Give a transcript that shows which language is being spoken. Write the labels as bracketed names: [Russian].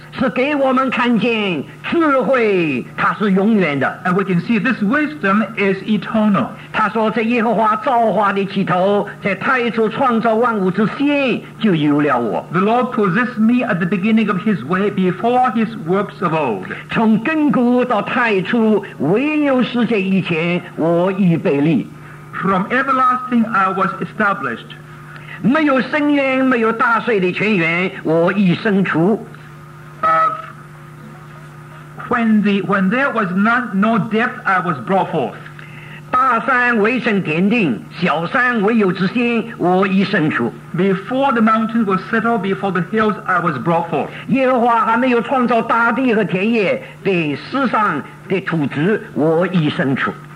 [Chinese] 是给我们看见智慧它是永远的。 [English] And we can see this wisdom is eternal. [Chinese] 他说在耶和华造化的起头，在太初创造万物之先就有了我。 [English] The Lord possessed me at the beginning of his way before his works of old. [Chinese] 从亘古到太初，唯有世界以前，我已被立。 [English] From everlasting I was established. [Chinese] 没有深渊，没有大水的泉源，我已生出。 [English] When there was none, no depth, I was brought forth. [Chinese] 大山为神奠定，小山唯有之先，我已生出。 [English] Before the mountain was settled, before the hills, I was brought forth. [Chinese] 耶和华还没有创造大地和田野，被世上的土质，我已生出。